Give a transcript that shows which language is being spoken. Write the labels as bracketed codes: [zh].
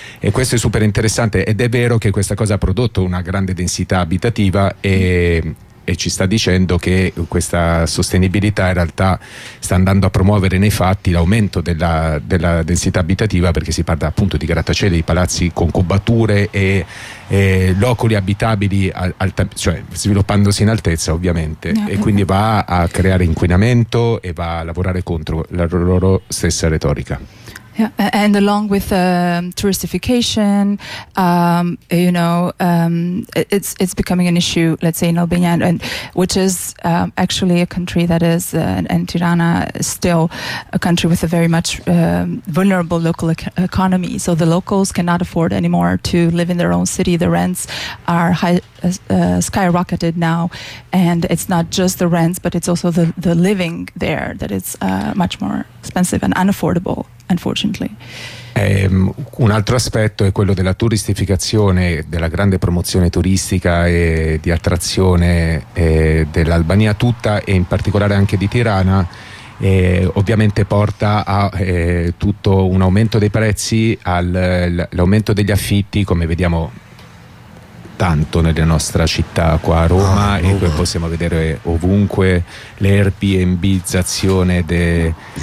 [it] E questo è super interessante, ed è vero che questa cosa ha prodotto una grande densità abitativa, e ci sta dicendo che questa sostenibilità in realtà sta andando a promuovere nei fatti l'aumento della densità abitativa, perché si parla appunto di grattacieli, di palazzi con cubature e loculi abitabili, cioè sviluppandosi in altezza, ovviamente. [en] Yeah. [it] E quindi va a creare inquinamento e va a lavorare contro la loro stessa retorica. [en] Yeah, and along with touristification, you know, it's becoming an issue, let's say, in Albania, and which is actually a country that is, and Tirana is still a country with a very much vulnerable local economy. So the locals cannot afford anymore to live in their own city. The rents are skyrocketed now, and it's not just the rents, but it's also the living there that is much more expensive and unaffordable. Unfortunately. [it] Un altro aspetto è quello della turistificazione, della grande promozione turistica e di attrazione dell'Albania tutta, e in particolare anche di Tirana, e ovviamente porta a tutto un aumento dei prezzi, all'aumento degli affitti, come vediamo tanto nella nostra città qua a Roma, e poi possiamo vedere ovunque le Airbnbizzazione dei